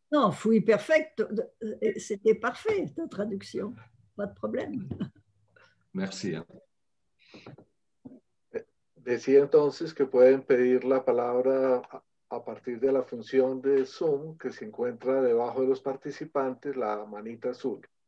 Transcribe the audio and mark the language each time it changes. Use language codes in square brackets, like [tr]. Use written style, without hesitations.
[es] No, fui perfecto. [fr] C'était parfait, ta traducción. Pas de problema. Merci. [es] Decía entonces que pueden pedir la palabra a partir de la función de Zoom que se encuentra debajo de los participantes, la manita azul.